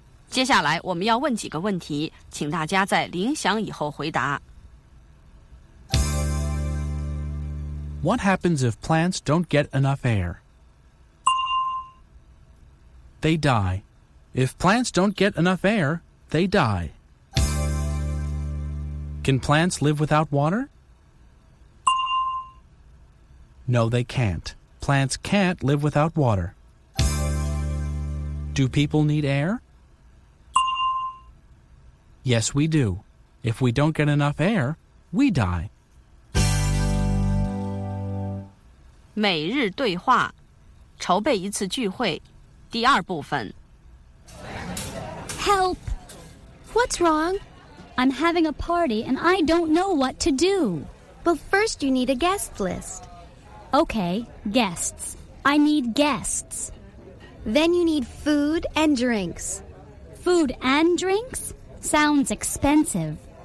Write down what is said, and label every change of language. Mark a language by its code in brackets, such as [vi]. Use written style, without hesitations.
[zh] 接下来我们要问几个问题，请大家在铃响以后回答。 [en] What happens if plants don't get enough air? They die. If plants don't get enough air, they die. Can plants live without water? No, they can't. Plants can't live without water. Do people need air? Yes, we do. If we don't get enough air, we die. [zh] 每日对话，筹备一次聚会，第二部分。 [en] Help! What's wrong? I'm having a party and I don't know what to do. But first you need a guest list. Okay, guests. I need guests. Then you need food and drinks. Food and drinks? Sounds expensive.